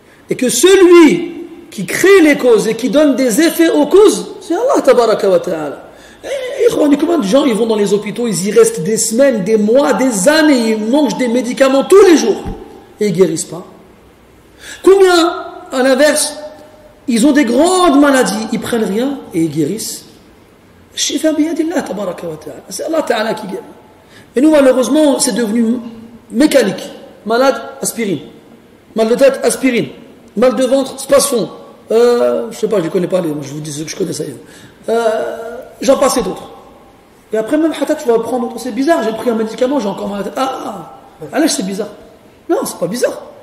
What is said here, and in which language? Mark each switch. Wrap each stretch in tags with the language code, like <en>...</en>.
<fr>Et que celui qui crée les causes et qui donne des effets aux causes, c'est Allah</fr> <ar>tabaraka wa ta'ala.</ar> <fr>Et combien de gens, ils vont dans les hôpitaux, ils y restent des semaines, des mois, des années, ils mangent des médicaments tous les jours et ils ne guérissent pas. Combien, à l'inverse, ils ont des grandes maladies, ils ne prennent rien et ils guérissent.</fr> <ar>الشفاء بيد الله تبارك وتعالى. أسأل الله تعالى كي يعني.</ar> <fr>Et nous, malheureusement, c'est devenu mécanique. Malade, aspirine. Mal de tête, aspirine. Mal de ventre, spasfon. Je sais pas, je ne connais pas les. Moi, je vous dis ce que je connais, ça y est. J'en passe d'autres. Et après, même, hatta, tu vas prendre d'autres. C'est bizarre, j'ai pris un médicament, j'ai encore mal à la tête. Allez, c'est bizarre. Non, c'est pas bizarre.</fr>